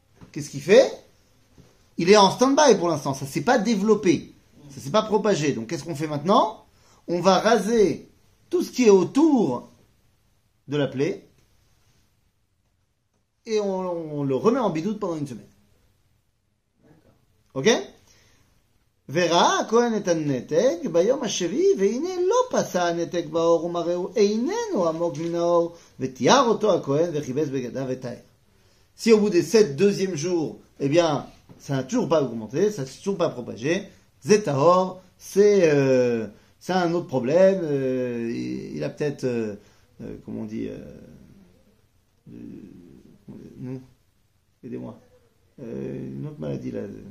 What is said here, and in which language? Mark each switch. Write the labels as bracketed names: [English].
[French] Qu'est-ce qu'il fait ? Il est en stand-by pour l'instant. Ça ne s'est pas développé. Ça ne s'est pas propagé. Donc, qu'est-ce qu'on fait maintenant ? on va raser tout ce qui est autour de la plaie et on le remet en bidoute pendant une semaine. D'accord. Ok? [Hebrew] וראה הכהן את הנתק ביום השביעי והנה לא פסע הנתק באור ומראו איננו עמוק מן האור ותיאר אותו הכהן וחיבס בגדיו את האר. [French] Si au bout des 7 deuxième jour, eh bien, ça n'a toujours pas augmenté, ça n'a toujours pas propagé, Zetahor, c'est un autre problème, il a peut-être, comment on dit, non, aidez-moi, une autre maladie là.